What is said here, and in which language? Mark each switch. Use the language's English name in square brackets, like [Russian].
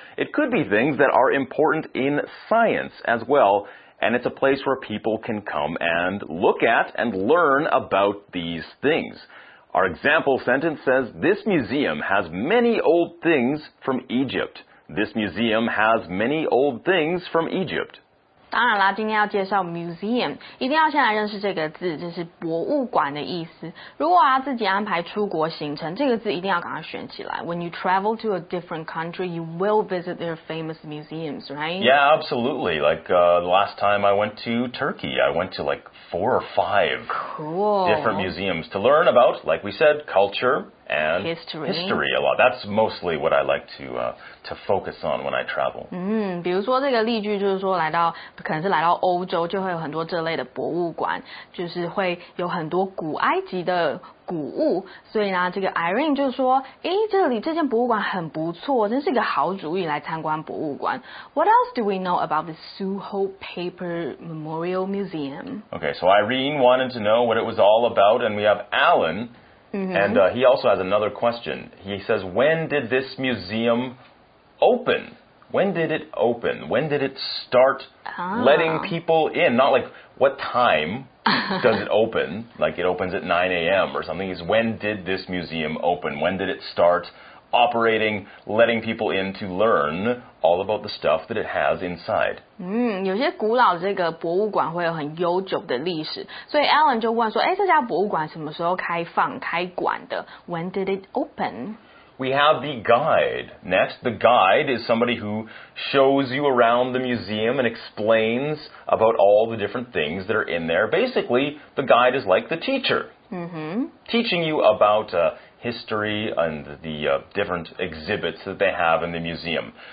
[English] It could be things that are important in science as well. And it's a place where people can come and look at and learn about these things. Our example sentence says, "This museum has many old things from Egypt." This museum has many old things from Egypt. [Chinese] 当然啦，今天要介绍 museum， 一定要先来认识这个字，这是博物馆的意思。如果啊自己安排出国行程，这个字一定要赶快选起来。 [English] When you travel to a different country, you will visit their famous museums, right? Yeah, absolutely. Like, the last time I went to Turkey, I went to like 4 or 5 different museums to learn about, like we said, culture. And history a lot. That's mostly what I like to focus on when I travel. [Chinese] 比如说这个例句就是说来到可能是来到欧洲就会有很多这类的博物馆，就是会有很多古埃及的古物。所以呢，这个 Irene 就说，这里这间博物馆很不错，真是一个好主意来参观博物馆。 [English] What else do we know about the Suho Paper Memorial Museum? Okay, so Irene wanted to know what it was all about, and we have Alan. And he also has another question. He says, when did this museum open? When did it open? When did it start letting people in? Not like, what time does it open? Like, it opens at 9 a.m. or something. He says, when did this museum open? When did it start operating, letting people in to learn all about the stuff that it has inside? [Chinese] 有些古老这个博物馆会有很悠久的历史，所以 Alan 就问说，这家博物馆什么时候开放开馆的？ [English] When did it open? We have the guide. Next, the guide is somebody who shows you around the museum and explains about all the different things that are in there. Basically, the guide is like the teacher. Teaching you about history and the different exhibits that they have in the museum.